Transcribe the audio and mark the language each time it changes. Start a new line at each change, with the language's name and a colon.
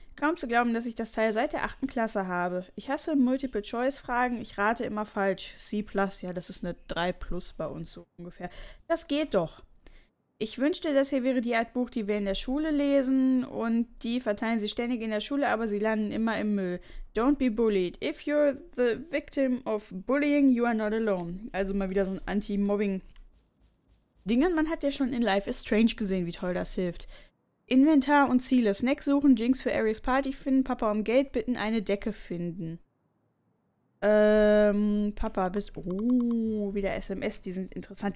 German: Kaum zu glauben, dass ich das Teil seit der 8. Klasse habe. Ich hasse Multiple-Choice-Fragen. Ich rate immer falsch. C+, ja, das ist eine 3+ bei uns so ungefähr. Das geht doch. Ich wünschte, das hier wäre die Art Buch, die wir in der Schule lesen. Und die verteilen sie ständig in der Schule, aber sie landen immer im Müll.
English: Don't be bullied. If you're the victim of bullying, you are not alone.
German: Also mal wieder so ein Anti-Mobbing-Ding. Man hat ja schon in Life is Strange gesehen, wie toll das hilft. Inventar und Ziele. Snacks suchen, Jinx für Aries Party finden, Papa um Geld bitten, eine Decke finden. Papa, bist... wieder SMS, die sind interessant.